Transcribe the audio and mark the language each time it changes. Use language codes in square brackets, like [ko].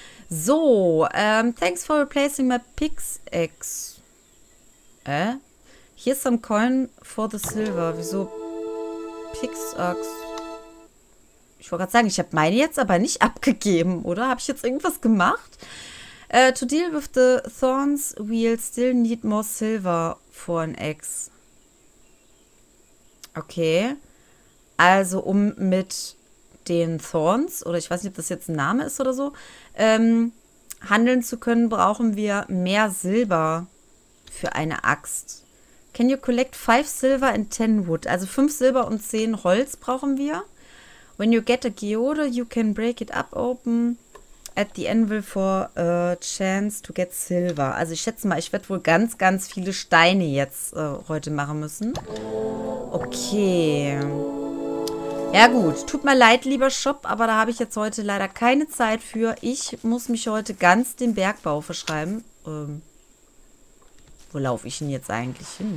[en] So, thanks for replacing my pickaxe. Here's some coin for the silver. [de] Wieso pickaxe? Ich wollte gerade sagen, ich habe meine jetzt aber nicht abgegeben, oder? Habe ich jetzt irgendwas gemacht? [en] To deal with the thorns, we'll still need more silver for an axe. Okay. [de] Also, um mit den Thorns, oder ich weiß nicht, ob das jetzt ein Name ist oder so, handeln zu können, brauchen wir mehr Silber für eine Axt. [en] Can you collect 5 silver and 10 wood? [de] Also 5 Silber und 10 Holz brauchen wir. [en] When you get a geode, you can break it up open at the anvil for a chance to get silver. [de] Also ich schätze mal, ich werde wohl ganz, ganz viele Steine jetzt heute machen müssen. Okay. Ja gut, tut mir leid, lieber Shop, aber da habe ich jetzt heute leider keine Zeit für. Ich muss mich heute ganz dem Bergbau verschreiben. Wo laufe ich denn jetzt eigentlich hin?